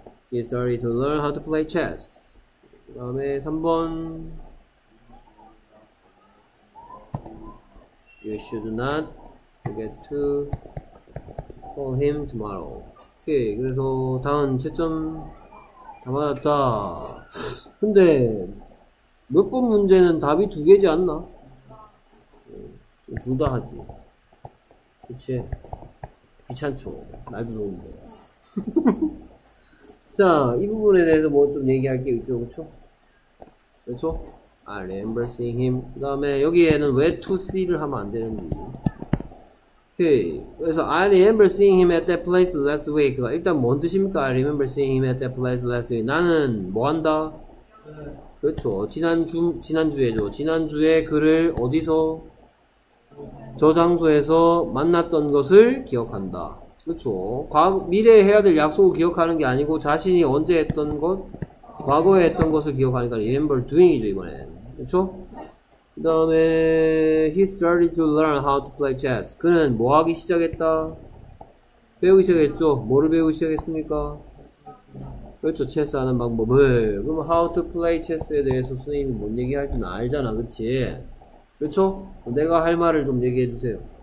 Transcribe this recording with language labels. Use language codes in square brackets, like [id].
[en] He is ready to learn how to play chess. [ko] 다음에 3번. [en] You should not forget to call him tomorrow. [ko] 오케이. 그래서 다음 채점 다 맞았다. 근데 몇번 문제는 답이 두 개지 않나? 둘다 하지. 그치? 귀찮죠. 날도 좋은데. 자, 이 부분에 대해서 뭐좀 얘기할게요. 이쪽, 그쵸? 그쵸? [en] I remember seeing him. [ko] 그 다음에 여기에는 왜 to see를 하면 안 되는지. 오케이. 그래서 [en] I remember seeing him at that place last week. [ko] 일단 뭔 뜻입니까? [en] I remember seeing him at that place last week. [ko] 나는 뭐 한다? 그렇죠. 지난주에죠. 지난주에 그를 어디서? 저 장소에서 만났던 것을 기억한다. 그렇죠. 미래에 해야 될 약속을 기억하는 게 아니고 자신이 언제 했던 것, 과거에 했던 것을 기억하니까 [en] remember doing [ko] 이죠 이번에는. 그렇죠? 그다음에 [en] he started to learn how to play chess. [ko] 그는 뭐 하기 시작했다? 배우기 시작했죠. 뭐를 배우기 시작했습니까? 그렇죠. 체스 하는 방법을. 그럼 [en] how to play chess [ko] 에 대해서 선생님이 뭔 얘기할 줄 알잖아, 그렇지? 그렇죠? 내가 할 말을 좀 얘기해 주세요.